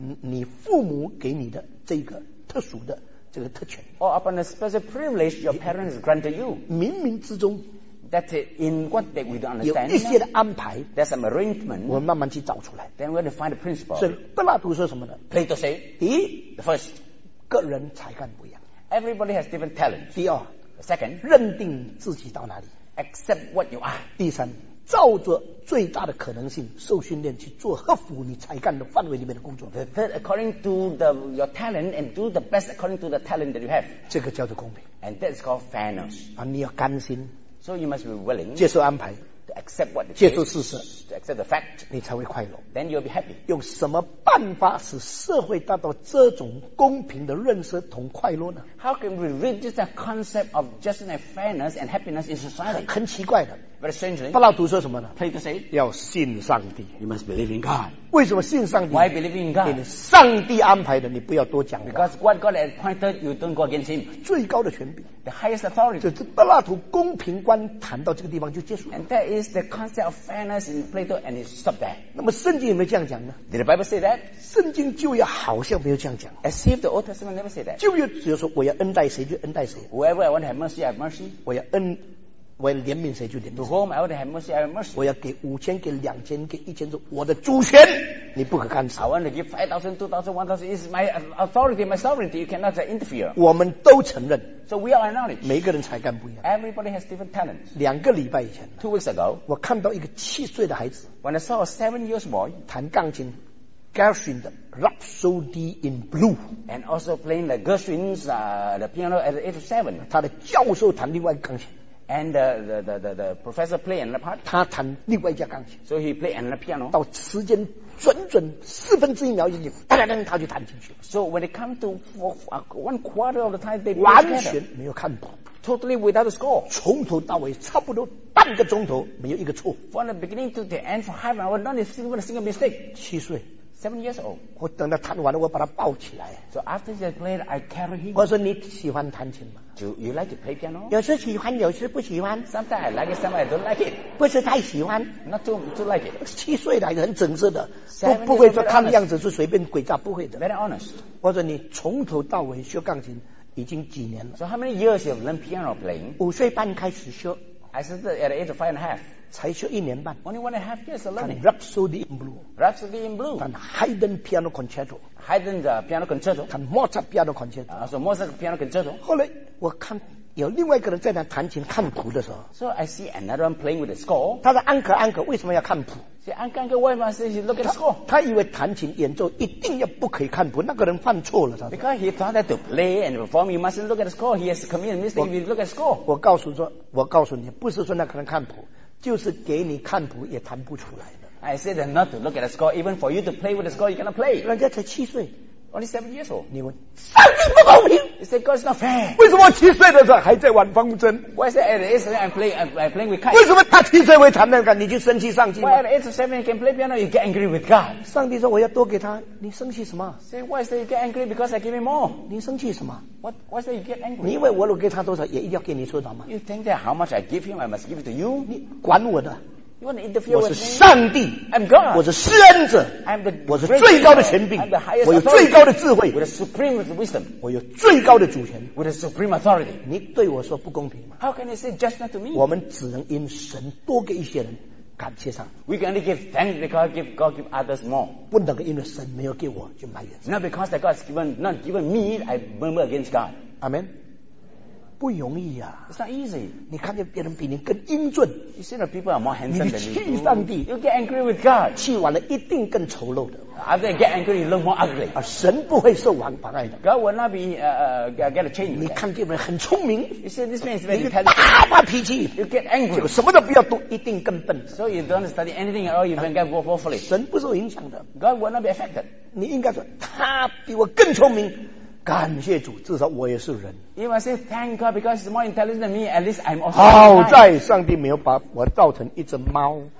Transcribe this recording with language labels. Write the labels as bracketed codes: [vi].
[zh] 你父母给你的这个特殊的这个特权 [en] or upon the special privilege your parents granted you, [zh] 冥冥之中 [en] that in what that we don't understand, [zh] 有一些的安排 [en] there's some arrangement, [zh] 我们慢慢去找出来 [en] then we're going to find the principle. [zh] 所以柏拉图说什么呢 [en] ？Plato say, [zh] 第一 [en] ，the first, [zh] 个人才干不一样 [en] ，everybody has different talents. [zh] 第二 [en] ，the second, [zh] 认定自己到哪里 [en] ，accept what you are. [zh] 第三。照着最大的可能性受训练去做合乎你才干的范围里面的工作 [en] the third, according to the, your talent and do the best according to the talent that you have [zh] 这个叫做公平 [en] and that's called fairness、 [zh] 啊、你要甘心 [en] so you must be willing [zh] 接受安排 [en] to accept what [zh] the 接受事实 [en] to accept the fact [zh] 你才会快乐 [en] then you'll be happy [zh] 用什么办法使社会达到这种公平的认识同快乐呢 [en] how can we reduce the concept of justice and fairness and happiness in society [zh] 很奇怪的 [en] Strangely, [zh] 柏拉图说什么呢 [en] ？Plato say, [zh] 要信上帝。 [en] You must believe in God. [zh] 为什么信上帝 [en] ？Why believe in God? [zh] 上帝安排的，你不要多讲。 [en] Because what God appointed, you don't go against him. [zh] 最高的权柄 [en] ，the highest authority. [zh] 就是柏拉图公平观谈到这个地方就结束。 [en] And that is the concept of fairness in Plato, and it stopped there. [zh] 那么圣经有没有这样讲呢 [en] ？Did the Bible say that? [zh] 圣经旧约好像没有这样讲。 [en] As if the Old Testament never said that. [zh] 旧约只有说我要恩待谁就恩待谁。 [en] Whoever I want to have mercy, I have mercy. [zh] 我要恩。我要怜悯谁就怜悯谁。 [en] To whom I would have mercy, I have mercy. [zh] 我要给五千，给两千，给一千，是我的主权，你不可干涉。 [en] I want to give 5,000, 2,000, 1,000 is my authority, my sovereignty. You cannot interfere. [zh] 我们都承认。 [en] So we all acknowledge. [zh] 每个人才干不一样。 [en] Everybody has different talents. [zh] 两个礼拜以前。 [en] Two weeks ago. [zh] 我看到一个七岁的孩子。 [en] When I saw a 7 years boy. [zh] 弹钢琴。Gershwin 的 Rhapsody in Blue [en] and also playing the Gershwin's the piano at the age of 7. [zh] 他的教授弹另外一个钢琴。 [en] And the professor play another part. [zh] 他弹另外一架钢琴。 [en] So he play another piano. [zh] 到时间准准四分之一秒进去，哒哒哒，他就弹进去。 [en] So when it come to one quarter of the time, they [zh] 完全没有看谱。 [en] Totally without a score. [zh] 从头到尾差不多半个钟头没有一个错。 [en] From the beginning to the end, for half an hour, not a single mistake. [zh] 七岁。 [en] 7 years old. [zh] 我等他弹完了，我把他抱起来。 [en] So after he played, I carry him. [zh] 我说你喜欢弹琴吗 [en] ？Do you like to play piano? [zh] 有时喜欢，有时不喜欢。 [en] Sometimes I like it, sometimes I don't like it. [zh] 不是太喜欢。 [en] Not too like it. [zh] 七岁的，很正式的，不会说看样子是随便鬼扎，不会的。 [en] Very honest. [zh] 我说你从头到尾学钢琴已经几年了 [en] ？So how many years you learn piano playing? [zh] 五岁半开始学。 [en] I started at the age of 5 and a half. [zh] 才学一年半 [en] Only 1.5 years of learning Rhapsody in Blue Rhapsody in Blue [zh] 弹 Haydn Piano Concerto [en] Haydn Piano Concerto [zh] 弹 Mozart Piano Concerto [en] So Mozart Piano Concerto [zh] 后来我看有另外一个人在那弹琴看谱的时候 [en] So I see another one playing with the score [zh] 他说 Uncle 为什么要看谱 [en] See Uncle why must he look at the score [zh] 他以为弹琴演奏一定要不可以看谱那个人犯错了他 [en] Because he thought that to play and perform you mustn't look at the score He has committed a mistake if you look at the score [zh] 我告诉你不是说那个人看谱就是给你看谱也弹不出来的。 [en] I said not to look at the score, even for you to play with the score, you cannot play. [zh] 人家才七岁 [en] ，only 7 years old. [zh] 你问，上帝不公平 [en] ？He said God is not fair. [zh] 为什么七岁的时候还在玩风筝 [en] ？Why is it at age seven I'm playing with kite? [zh] 为什么他七岁会弹那个？你就生气上帝 [en] ？Why at age seven can play piano? You get angry with God. [zh] 上帝说我要多给他，你生气什么 [en] ？Say why is it you get angry because I give him more? [zh] 你生气什么 [en] ？Why is it you get angry? [zh] 你以为我给他多少也一定要给你多少吗 [en] ？You think that how much I give him, I must give it to you? [zh] 你管我的。 [en] You want to interfere [zh] 我是上帝 [en] I'm God. [zh] 我是施恩者 [en] I'm the [zh] 我是最高的权柄 [en] I'm the highest authority. [zh] 我有最高的智慧 [en] With a supreme wisdom. [zh] 我有最高的主权 [en] With a supreme authority. [zh] 你对我说不公平吗 [en] How can you say just not to me? [zh] 我们只能因神多给一些人感谢上帝 [en] We can only give thanks because God give others more. [zh] 不能因为神没有给我就埋怨 [en] Not because that God has given, not given me, I murmur against God. [zh] Amen. 不容易啊。 [en] It's not easy. [zh] 你看见别人比你更英俊。 [en] You see that people are more handsome than you. [zh] 你气上帝。 [en] You get angry with God. [zh] 气完了一定更丑陋的。 [en] After you get angry, you look more ugly. [zh] 啊，神不会受王妨碍的。 [en] God will not be get a change. [zh] 你看这个人很聪明。 [en] You see this man is very talented. [zh] 你大发脾气。 [en] You get angry. [zh] 什么都不要读，一定更笨。 [en] So you don't study anything at all, you can get more foolish. [zh] 神不受影响的。 [en] God will not be affected. [zh] 你应该说他比我更聪明。感谢主，至少我也是人。 [en] You must say thank God because he's more intelligent than me. At least I'm also. [zh] 好在上帝没有把我造成一只猫。